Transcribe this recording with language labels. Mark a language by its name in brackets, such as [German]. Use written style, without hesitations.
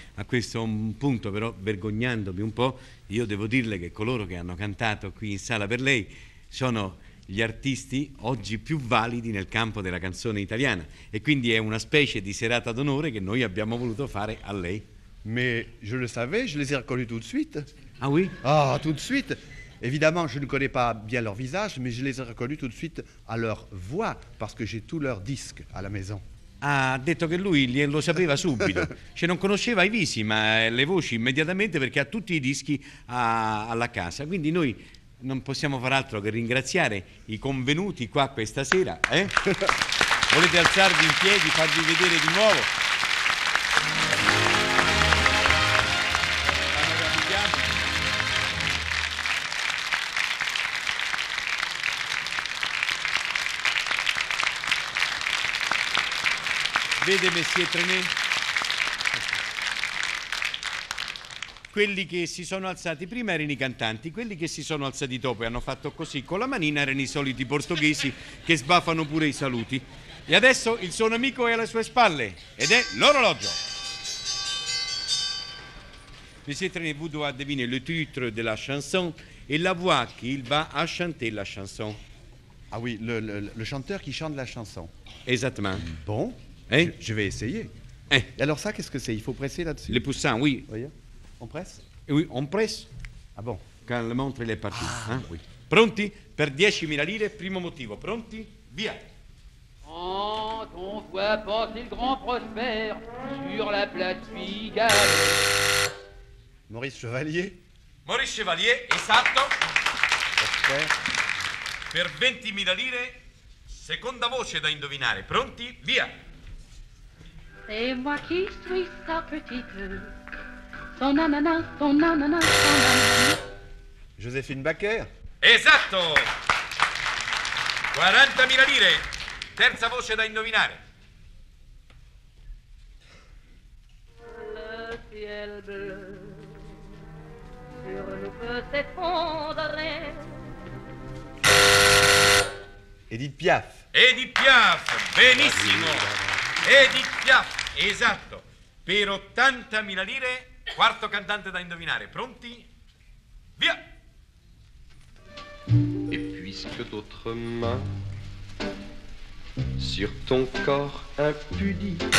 [Italian] A questo punto, però, vergognandomi un po', io devo dirle che coloro che hanno cantato qui in sala per lei sono gli artisti oggi più validi nel campo della canzone italiana. E quindi è una specie di serata d'onore che noi abbiamo voluto fare a lei. [French] Ma je le savais, je les ai reconnus tout de suite. Ah oui? Ah, tout de suite! Évidemment, je ne connais pas bien leur visage, mais je les ai reconnus tout de suite à leur voix, parce que j'ai tous leurs disques à la maison. [Italian] Ah, ha detto che lui glielo sapeva subito. Cioè, non conosceva i visi, ma le voci immediatamente, perché ha tutti i dischi alla casa. Quindi noi non possiamo far altro che ringraziare i convenuti qua questa sera. Volete alzarvi in piedi, farvi vedere di nuovo? Vede, Messie Tranet, quelli che si sono alzati prima erano i cantanti, quelli che si sono alzati dopo e hanno fatto così con la manina erano i soliti portoghesi che sbaffano pure i saluti. E adesso il suo amico è alle sue spalle ed è l'orologio. [French] Messie Tranet, vous devez deviner le titre de la chanson et la voix qu'il va à chanter la chanson. Ah oui, le chanteur qui chante la chanson. Exactement. Bon. Eh? Je vais essayer. Eh? Et alors ça, qu'est-ce que c'est? Il faut presser là-dessus. Le poussin, oui. Voyez? On presse? Eh oui, on presse. Ah bon? Quand la montre est partie. Ah, hein? [Italian] Oui. Pronti? Per 10.000 lire, primo motivo. Pronti? Via! [French] Quand on voit passer le grand Prosper sur la place Figaro. Maurice Chevalier. [Italian] Maurice Chevalier, esatto. [French] Prosper. [Italian] Per 20.000 lire, seconda voce da indovinare. Pronti? Via! [French] C'est moi qui suis sa petite. Son nanana, son nanana, son nanana. Joséphine Baker. [Italian] Esatto. 40.000 lire. Terza voce da indovinare. [French] Le ciel bleu sur nous peut s'effondrer. Edith Piaf. [Italian] Edith Piaf, benissimo. Edith Piaf, esatto. Per 80.000 lire, quarto cantante da indovinare. Pronti? Via! [French] Et puisque d'autres mains sur ton corps impudis.